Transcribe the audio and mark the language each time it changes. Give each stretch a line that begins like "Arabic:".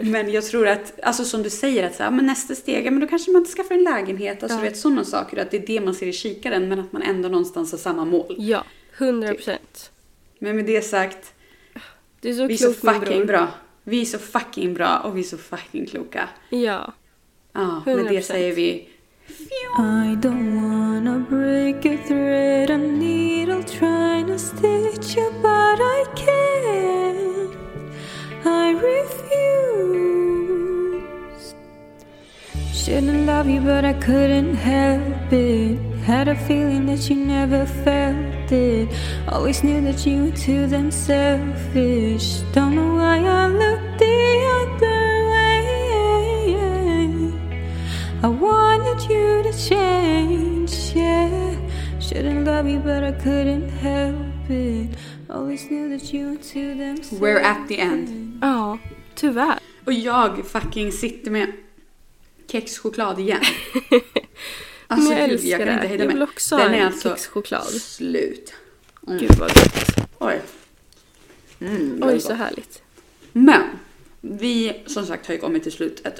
Swedish: men jag tror att, alltså som du säger att så här, men nästa steg, men då kanske man inte skaffar en lägenhet, alltså vet sådana saker, att det är det man ser i kikaren, men att man ändå någonstans har samma mål. Ja, 100%. Typ. Men med det sagt, det är så vi klokt, är så fucking bra. Vi är så fucking bra och vi är så fucking kloka. Ja. Ja, med det säger vi.
English: I don't wanna break a thread, a needle trying to stitch you, but I can't. I refuse. Shouldn't love you, but I couldn't help it. Had a feeling that you never felt it. Always knew that you were too damn selfish. Don't know why I looked the other way. I wanted you to change, yeah. Shouldn't love you, but I couldn't help it. Always knew that you were too damn selfish. We're at the end.
Swedish: Ja, oh, tyvärr. Och jag fucking sitter med kexchoklad igen. Alltså, jag älskar, jag kan inte hejda mig. Jag vill mig. Också ha en kexchoklad. Den är alltså slut. Mm. Gud vad gott. Oj. Mm, oj, så gott. Härligt. Men, vi som sagt har ju kommit till slutet.